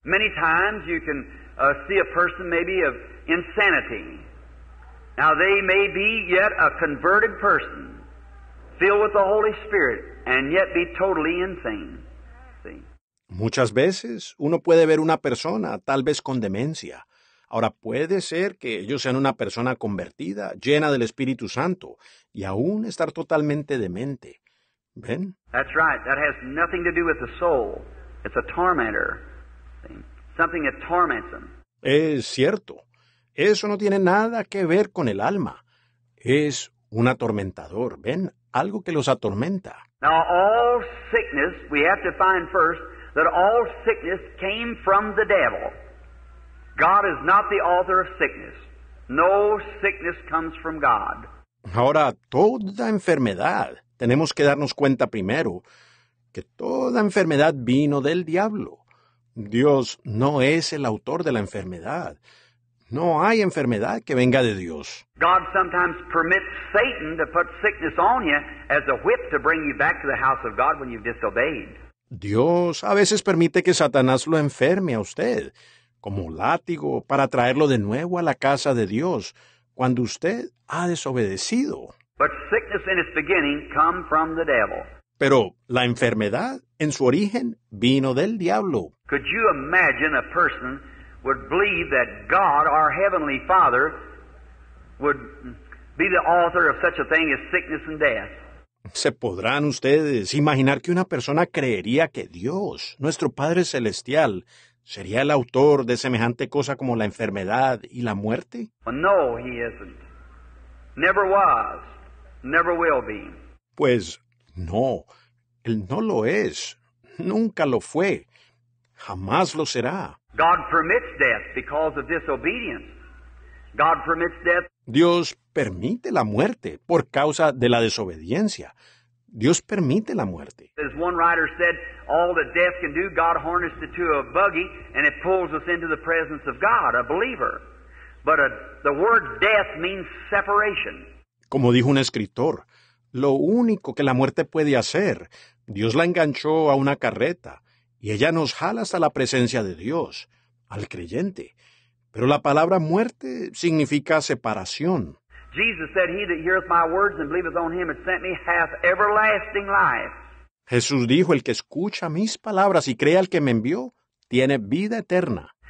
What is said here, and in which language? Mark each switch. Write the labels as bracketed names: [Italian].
[English] Many times you can see a person maybe of insanity. Now they may be yet a converted person, filled with the Holy Spirit, and yet be totally insane. See? [Spanish] Muchas veces uno puede ver una persona tal vez con demencia. Ahora puede ser que ellos sean una persona convertida, llena del Espíritu Santo, y aún estar totalmente demente. ¿Ven? [English] That's right. That has nothing to do with the soul. It's a tormentor. Something that torments them. [Spanish] Es cierto. Eso no tiene nada que ver con el alma. Es un atormentador. ¿Ven? Algo que los atormenta. [English] Now, all sickness, we have to find first that all sickness came from the devil. God is not the author of sickness. No sickness comes from God. [Spanish] Ahora, toda enfermedad, tenemos que darnos cuenta primero que toda enfermedad vino del diablo. Dios no es el autor de la enfermedad. No hay enfermedad que venga de Dios. [English] God sometimes permits Satan to put sickness on you as a whip to bring you back to the house of God when you've disobeyed. [Spanish] Dios a veces permite que Satanás lo enferme a usted como látigo para traerlo de nuevo a la casa de Dios cuando usted ha desobedecido. [English] But sickness in its beginning come from the devil. [Spanish] Pero la enfermedad, en su origen, vino del diablo. [English] Could you imagine a person would believe that God, our Heavenly Father, would be the author of such a thing as sickness and death. [Spanish] ¿Se podrán ustedes imaginar que una persona creería que Dios, nuestro Padre Celestial, sería el autor de semejante cosa como la enfermedad y la muerte? [English] Well, no, he isn't. Never was, never will be. [Spanish] Pues no, él no lo es, nunca lo fue, jamás lo será. [English] God permits death because of disobedience. God permits death. [Spanish] Dios permite la muerte por causa de la desobediencia. Dios permite la muerte. [English] As one writer said, all that death can do, God harnessed it to a buggy and it pulls us into the presence of God, a believer. But the word death means separation. [Spanish] Como dijo un escritor, lo único que la muerte puede hacer, Dios la enganchó a una carreta y ella nos jala hasta la presencia de Dios, al creyente. Pero la palabra muerte significa separación. [English] Jesus said, he that heareth my words and believeth on him that sent me hath everlasting life. [Spanish] Jesús dijo, el que escucha mis palabras y cree al que me envió, tiene vida eterna.